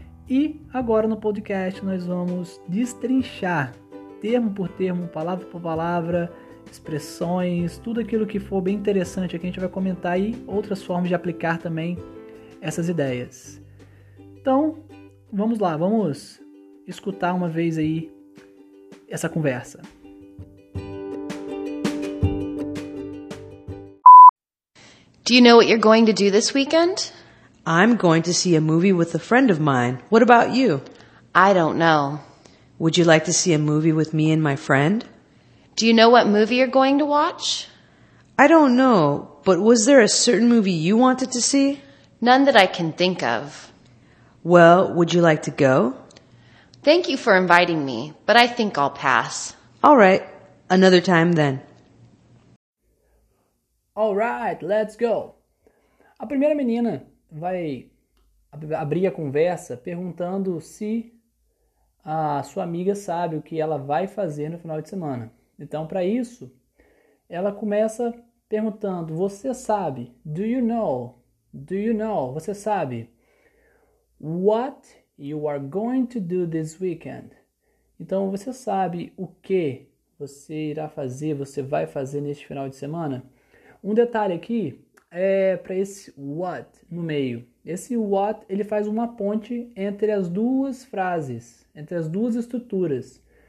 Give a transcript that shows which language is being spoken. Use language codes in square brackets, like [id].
[pt] E agora no podcast nós vamos destrinchar termo por termo, palavra por palavra, expressões, tudo aquilo que for bem interessante aqui a gente vai comentar e outras formas de aplicar também essas ideias. Então, vamos lá, vamos escutar uma vez aí essa conversa. [en] Do you know what you're going to do this weekend? I'm going to see a movie with a friend of mine. What about you? I don't know. Would you like to see a movie with me and my friend? Do you know what movie you're going to watch? I don't know, but was there a certain movie you wanted to see? None that I can think of. Well, would you like to go? Thank you for inviting me, but I think I'll pass. All right, another time then. All right, let's go. [pt] A primeira menina vai abrir a conversa perguntando se a sua amiga sabe o que ela vai fazer no final de semana. Então, para isso, ela começa perguntando, você sabe? [en] Do you know? Do you know? [pt] Você sabe? [en] What you are going to do this weekend? [pt] Então, você sabe o que você irá fazer, você vai fazer neste final de semana? Um detalhe aqui é para esse what no meio. Esse what, ele faz uma ponte entre as duas frases, entre as duas estruturas.